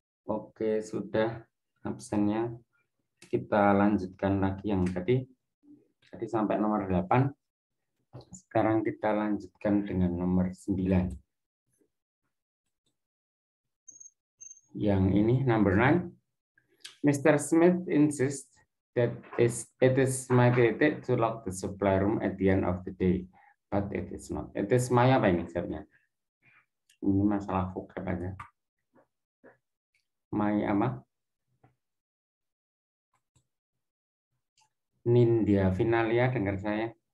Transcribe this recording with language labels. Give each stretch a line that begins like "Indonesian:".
Indonesian: Oke, sudah absennya. Kita lanjutkan lagi yang tadi. Tadi sampai nomor 8. Sekarang kita lanjutkan dengan nomor 9. Yang ini,
English: number 9. Mr. Smith insists that it is mandated to lock the supply room at the end of the day. But it is not. It is my
Indonesian: apa ini sebenarnya? Ini masalah vocab aja. My apa? Nindya Finalia, dengar saya.